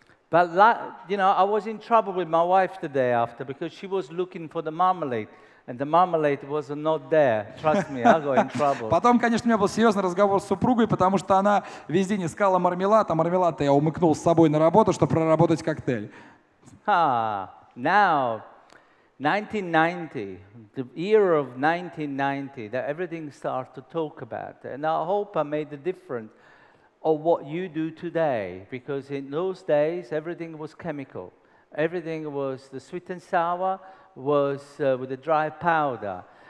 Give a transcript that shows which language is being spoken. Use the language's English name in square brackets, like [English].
[English] But you know, I was in trouble with my wife today after, because she was looking for the marmalade. And the marmalade was not there. Trust me, I got in trouble. [Russian] Потом, конечно, у меня был серьезный разговор с супругой, потому что она везде не искала мармелад, а мармелад-то я умыкнул с собой на работу, чтобы проработать коктейль. [English] Now, 1990, the year of 1990, that everything starts to talk about. And I hope I made the difference of what you do today. Because in those days, everything was chemical. Everything was the sweet and sour, was with the dry powder.